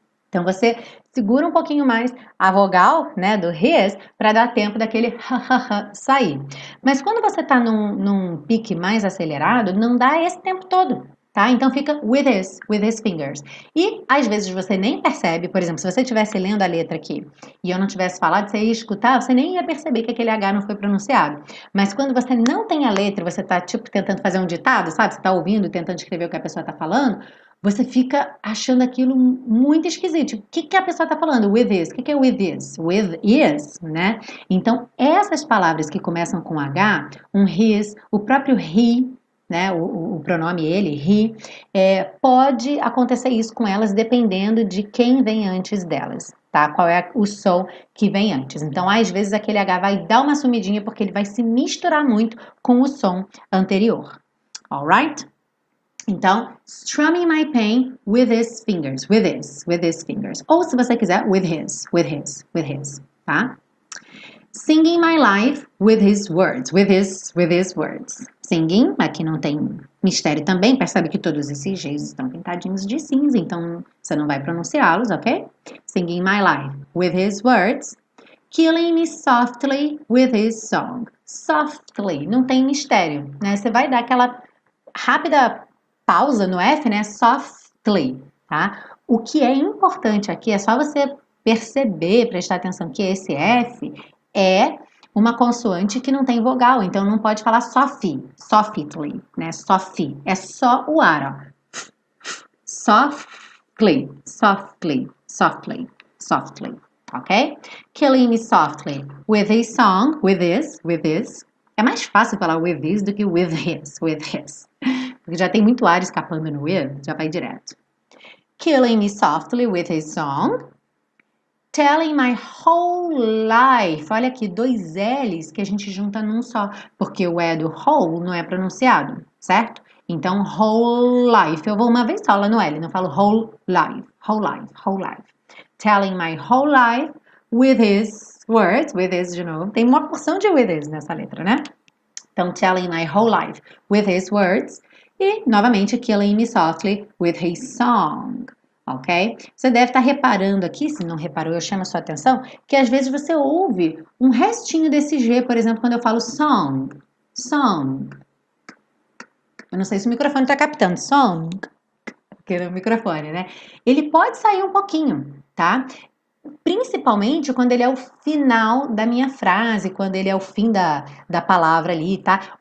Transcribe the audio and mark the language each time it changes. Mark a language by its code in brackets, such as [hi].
[pt] Então você segura um pouquinho mais a vogal, né, do his, para dar tempo daquele ha ha ha sair. Mas quando você tá num pique mais acelerado, não dá esse tempo todo. Tá? Então fica [en] with his fingers. [pt] E às vezes você nem percebe, por exemplo, se você estivesse lendo a letra aqui e eu não tivesse falado, você ia escutar, você nem ia perceber que aquele H não foi pronunciado. Mas quando você não tem a letra, você tá tipo tentando fazer um ditado, sabe? Você tá ouvindo, tentando escrever o que a pessoa tá falando, você fica achando aquilo muito esquisito. O que que a pessoa tá falando? With this. O que que é with this? With is, né? Então essas palavras que começam com H, um his, o próprio he, né, o pronome ele, he, pode acontecer isso com elas dependendo de quem vem antes delas, tá? Qual é o som que vem antes. Então, às vezes, aquele H vai dar uma sumidinha porque ele vai se misturar muito com o som anterior. [en] Alright? Então, strumming my pain with his fingers, with his fingers. [pt] Ou, se você quiser, with his, tá? [en] Singing my life with his words, with his words. [pt] Singing, aqui não tem mistério também, percebe que todos esses Gs estão pintadinhos de cinza, então você não vai pronunciá-los, ok? [en] Singing my life with his words. Killing me softly with his song. [pt] Softly, não tem mistério, né? Você vai dar aquela rápida pausa no F, né? Softly, tá? O que é importante aqui é só você perceber, prestar atenção que esse F é uma consoante que não tem vogal, então não pode falar sofi, softly, né? Sofi, é só o ar, ó. Softly, softly, softly, softly, ok? [en] Killing me softly with his song, with this. [pt] É mais fácil falar with this do que with his. Porque já tem muito ar escapando no with, já vai direto. [en] Killing me softly with his song. Telling my whole life. [pt] Olha aqui, dois L's que a gente junta num só, porque o E do whole não é pronunciado, certo? Então, whole life. Eu vou uma vez só lá no L, não falo whole life. [en] Whole life, whole life. Telling my whole life with his words, with his [pt] de novo. Tem uma porção de with his nessa letra, né? [en] Então, telling my whole life with his words. [pt] E, novamente, [en] killing me softly with his song. Ok? [pt] Você deve estar reparando aqui, se não reparou, eu chamo a sua atenção, que às vezes você ouve um restinho desse G, por exemplo, quando eu falo song, song. Eu não sei se o microfone está captando, song, que é o microfone, né? Ele pode sair um pouquinho, tá? Principalmente quando ele é o final da minha frase, quando ele é o fim da palavra ali, tá?